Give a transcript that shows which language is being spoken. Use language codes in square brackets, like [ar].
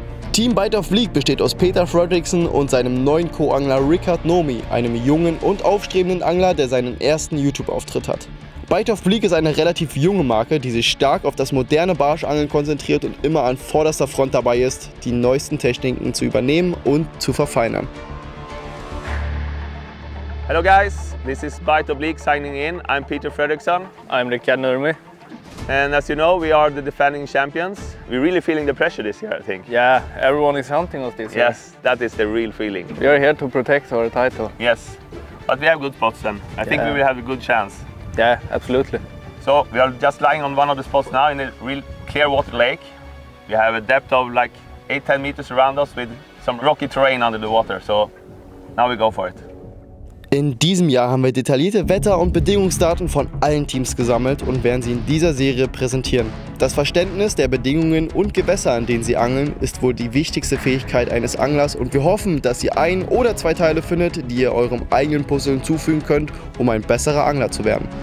[de] Team Bite of Bleak besteht aus Peter Fredriksson und seinem neuen Co-Angler Rickard Nurmi, einem jungen und aufstrebenden Angler, der seinen ersten YouTube-Auftritt hat. Bite of Bleak ist eine relativ junge Marke, die sich stark auf das moderne Barschangeln konzentriert und immer an vorderster Front dabei ist, die neuesten Techniken zu übernehmen und zu verfeinern. [en] Hello guys, this is Bite of Bleak signing in. I'm Peter Fredriksson. I'm Rickard Nurmi. And as you know, we are the defending champions. We're really feeling the pressure this year, I think. Yeah, everyone is hunting us this year. Yes, that is the real feeling. We are here to protect our title. Yes, but we have good spots then. I think we will have a good chance. Yeah, absolutely. So we are just lying on one of the spots now in a real clear water lake. We have a depth of like 8-10 meters around us with some rocky terrain under the water. So now we go for it. [de] In diesem Jahr haben wir detaillierte Wetter- und Bedingungsdaten von allen Teams gesammelt und werden sie in dieser Serie präsentieren. Das Verständnis der Bedingungen und Gewässer, in denen sie angeln, ist wohl die wichtigste Fähigkeit eines Anglers und wir hoffen, dass ihr 1 oder 2 Teile findet, die ihr eurem eigenen Puzzle hinzufügen könnt, um ein besserer Angler zu werden.